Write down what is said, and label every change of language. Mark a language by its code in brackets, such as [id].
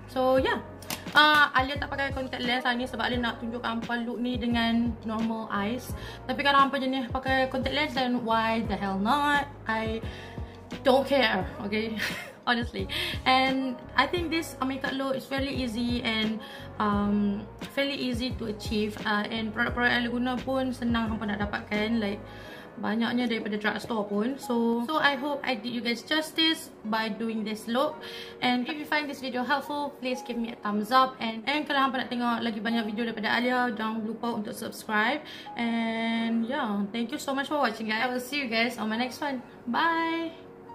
[ms] So yeah, Alia tak pakai contact lens hari ni sebab Alia nak tunjukkan hampa look ni dengan [en] normal eyes. [ms] Tapi kalau hampa jenis pakai contact lens, [en] then why the hell not? I don't care, okay? Honestly. And I think this makeup look is fairly easy and fairly easy to achieve. [ms] And produk-produk yang guna pun senang hampa nak dapatkan. Like, banyaknya daripada drugstore pun. [en] So I hope I did you guys justice by doing this look. And if you find this video helpful, please give me a thumbs up. And [ms] kalau hampa nak tengok lagi banyak video daripada Alia, jangan lupa untuk subscribe. [en] And yeah, thank you so much for watching, guys. I will see you guys on my next one. Bye!